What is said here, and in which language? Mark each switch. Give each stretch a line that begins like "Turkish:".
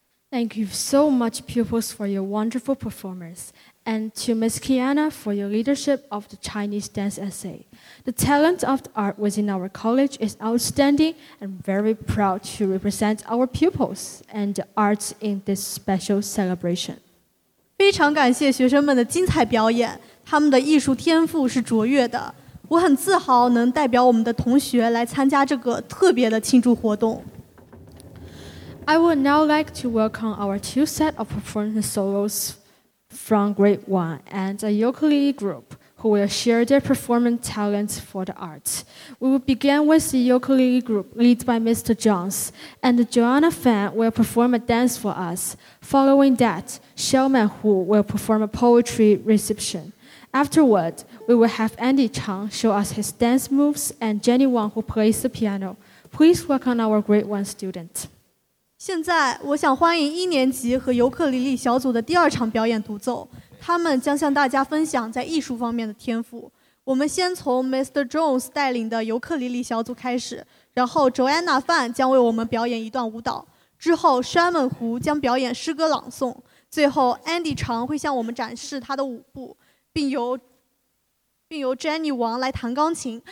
English: Thank you so much, pupils, for your wonderful performance. and to Ms. Kiana for your leadership of the Chinese dance essay. The talent of the art within our college is outstanding and very proud to represent our pupils and the arts in this special celebration.
Chinese: 非常感谢学生们的精彩表演，他们的艺术天赋是卓越的。我很自豪能代表我们的同学来参加这个特别的庆祝活动。
English: I would now like to welcome our two set of performance solos from Grade 1 and a ukulele group who will share their performance talents for the arts. We will begin with the ukulele group led by Mr. Jones, and Joanna Fan will perform a dance for us. Following that, Xiaoman Hu will perform a poetry reception. Afterward, we will have Andy Chang show us his dance moves and Jenny Wang who plays the piano. Please welcome our Grade 1 student.
Chinese: 现在我想欢迎一年级和尤克里里小组的第二场表演独奏，他们将向大家分享在艺术方面的天赋。我们先从 Mr. Jones 带领的尤克里里小组开始，然后 Joanna Fan 将为我们表演一段舞蹈，之后 Shaman Hu 将表演诗歌朗诵，最后 Andy Chang 会向我们展示他的舞步，并由 Jenny Wang 来弹钢琴。